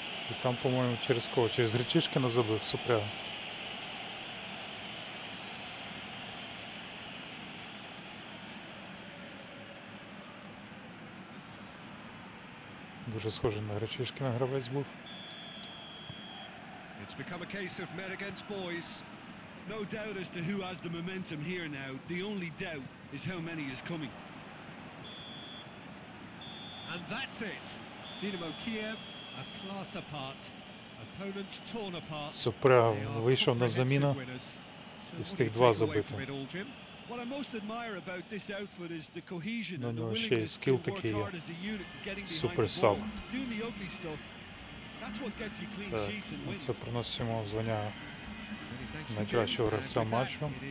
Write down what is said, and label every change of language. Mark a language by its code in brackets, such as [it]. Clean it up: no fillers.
[uk] І там, по-моєму, через кого? Через Гречишкіна забив супряга. Дуже схожий на Гречишкіна гравець був. [en] It's become a case of men against boys. No doubt as to who has the momentum here now. The only doubt is how many is coming. And that's it. Dynamo Kiev, a class apart. Opponents torn apart. [uk] Супряга вийшов на заміну і встиг два забити. [en] What I most admire about this outfit is the cohesion and the willingness to work hard as a unit. [uk] Супер саб. [en] Doing the ugly stuff. That's what gets you clean sheets and wins. [uk] Це приносить йому звання найкращого гравця матчу.